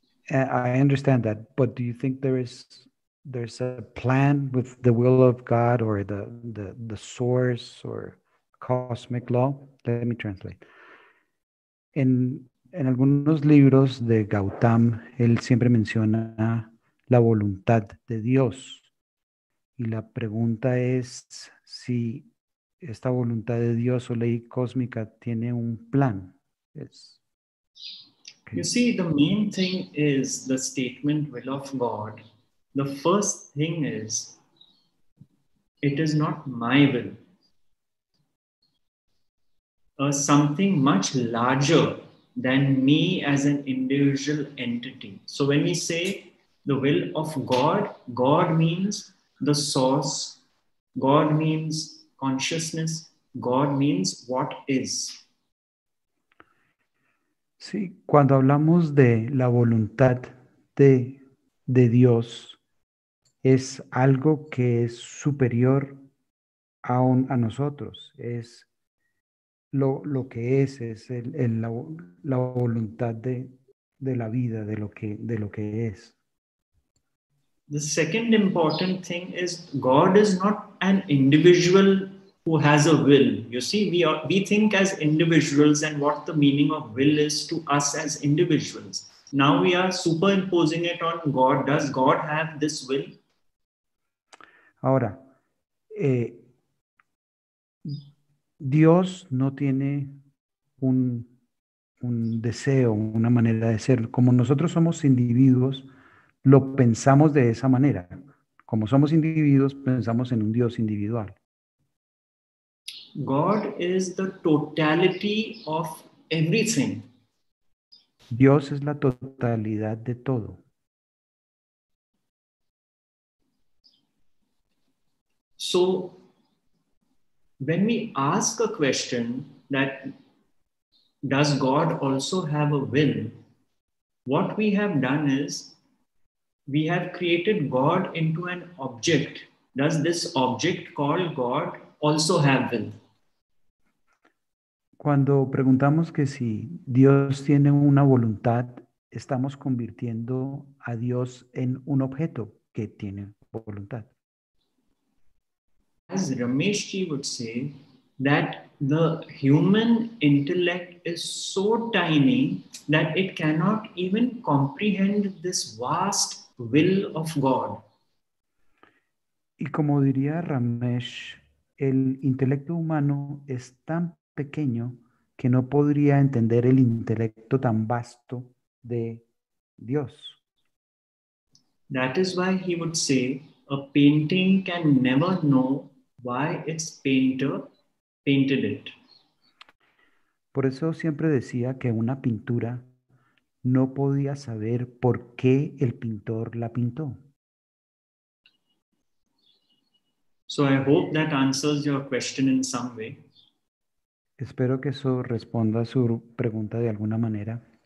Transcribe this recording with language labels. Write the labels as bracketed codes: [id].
[en] I understand that, but do you think there's a plan with the will of God or the source or cosmic law? Let me translate. [es] En algunos libros de Gautam, él siempre menciona la voluntad de Dios. Y la pregunta es si esta voluntad de Dios o ley cósmica tiene un plan. [en] You see, the main thing is the statement, will of God. The first thing is, it is not my will. Something much larger than me as an individual entity. So when we say the will of God, God means the source. God means consciousness. God means what is. [es] Sí, cuando hablamos de la voluntad de Dios, es algo que es superior a nosotros. Es lo que es la voluntad de la vida, de lo que es. [en] The second important thing is God is not an individual who has a will. You see, we think as individuals and what the meaning of will is to us as individuals. Now we are superimposing it on God. Does God have this will? [es] Ahora, Dios no tiene un deseo, una manera de ser. Como nosotros somos individuos, lo pensamos de esa manera. Como somos individuos, pensamos en un Dios individual. [en] God is the totality of everything. [es] Dios es la totalidad de todo. [en] So, when we ask a question that does God also have a will, what we have done is we have created God into an object. Does this object called God also have will? [es] Cuando preguntamos que si Dios tiene una voluntad, estamos convirtiendo a Dios en un objeto que tiene voluntad. [en] As Rameshji would say, that the human intellect is so tiny that it cannot even comprehend this vast will of God. [es] Y como diría Ramesh, el intelecto humano es tan pequeño que no podría entender el intelecto tan vasto de Dios. [en] That is why he would say, a painting can never know why its painter painted it. [es] Por eso siempre decía que una pintura no podía saber por qué el pintor la pintó. [en] So I hope that answers your question in some way. [es] Espero que eso responda a su pregunta de alguna manera.